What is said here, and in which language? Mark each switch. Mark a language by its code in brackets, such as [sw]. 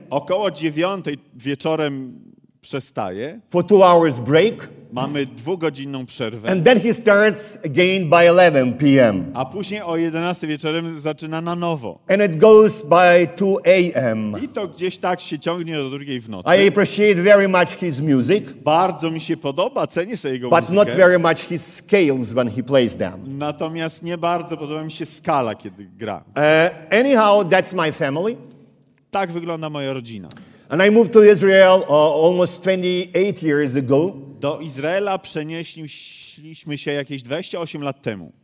[pl] Około 9 wieczorem przestaje. [en] For 2 hours break. [pl] Mamy dwugodzinną przerwę. [en] And then he starts again by 11 p.m. [pl] A później o 11 wieczorem zaczyna na nowo. [en] And it goes by 2 a.m. [pl] I to gdzieś tak się ciągnie do drugiej w nocy. [en] I appreciate very much his music. [pl] Bardzo mi się podoba, cenię sobie jego [en] but [pl] muzykę. [en] Not very much his scales when he plays them. [pl] Natomiast nie bardzo podoba mi się skala, kiedy gra. [en] Anyhow, that's my family. [pl] Tak wygląda moja rodzina. [en] And I moved to Israel almost 28 years ago. [pl] Do Izraela przenieśliśmy się jakieś 28 lat temu.